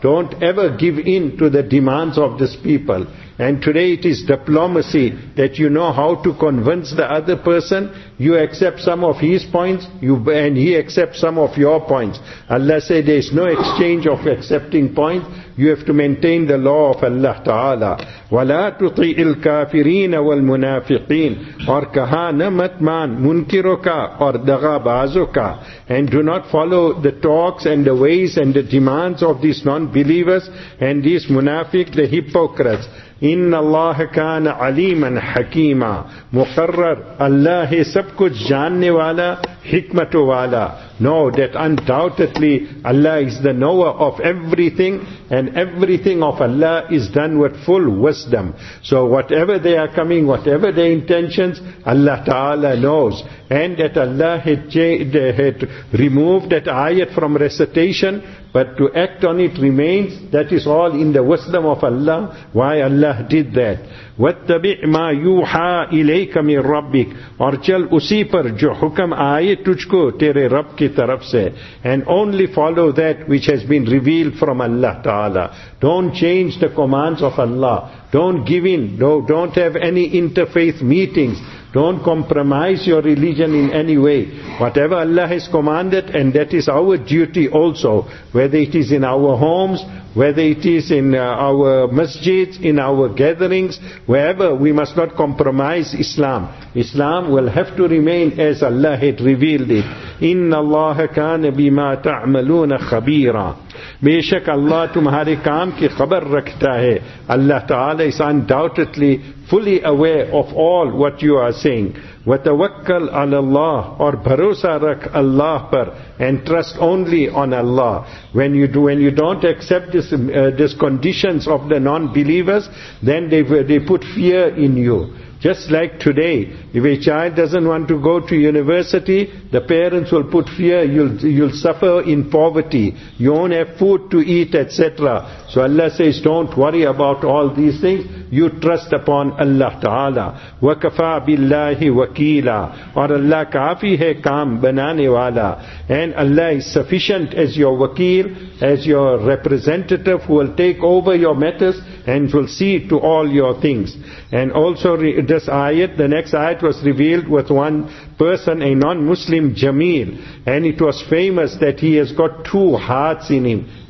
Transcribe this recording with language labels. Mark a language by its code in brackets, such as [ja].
[en] Don't ever give in to the demands of this people. And today it is diplomacy, that you know how to convince the other person. You accept some of his points, and he accepts some of your points. Allah said there is no exchange of accepting points. You have to maintain the law of Allah Ta'ala. [ar] وَلَا تُطِعِ الْكَافِرِينَ وَالْمُنَافِقِينَ [ur] اور کہا نمت مان منکرو کا اور دغا بازو کا. [en] And do not follow the talks and the ways and the demands of these non-believers and these munafiq, the hypocrites. [ar] إِنَّ اللَّهَ كَانَ عَلِيمًا حَكِيمًا [ur] مُقَرَّر اللہ ہے سب کچھ جاننے والا حکمت والا. [en] Know that undoubtedly Allah is the knower of everything, and everything of Allah is done with full wisdom. So whatever they are coming, whatever their intentions, Allah Ta'ala knows. And that Allah had removed that ayat from recitation, but to act on it remains, that is all in the wisdom of Allah, why Allah did that. [ar] وَاتَّبِعْ مَا يُوحَى إِلَيْكَ مِنْ رَبِّكَ [ur] اور چل اسی پر جو حکم آئے تجھ کو تیرے رب کی طرف سے. [en] And only follow that which has been revealed from Allah Ta'ala. Don't change the commands of Allah. Don't give in. No, don't have any interfaith meetings. Don't compromise your religion in any way. Whatever Allah has commanded, and that is our duty also, whether it is in our homes, whether it is in our masjids, in our gatherings, wherever, we must not compromise Islam. Islam will have to remain as Allah had revealed it. [ar] إِنَّ اللَّهَ كَانَ بِمَا تَعْمَلُونَ خَبِيرًا. [ur] بے شک اللہ تمہارے کام کی خبر رکھتا ہے. [en] Allah Ta'ala is undoubtedly fully aware of all what you are saying. [ar] وَتَوَكَّلْ عَلَى اللَّهِ [ur] اور بھروسہ رکھ اللہ پر. [en] And trust only on Allah. When you don't accept this conditions of the non-believers, then they put fear in you. Just like today, if a child doesn't want to go to university, the parents will put fear, you'll suffer in poverty, you won't have food to eat, etc. So Allah says, don't worry about all these things, you trust upon Allah Ta'ala. [ar] وَكَفَى بِاللَّهِ وَكِيلًا [ur] اور اللہ کافی ہے کام بنانے والا. [en] And Allah is sufficient as your wakil, as your representative who will take over your matters and will see to all your things. And also this ayat. The next ayat was revealed with one person, a non-Muslim, Jameel. And it was famous that he has got two hearts in him.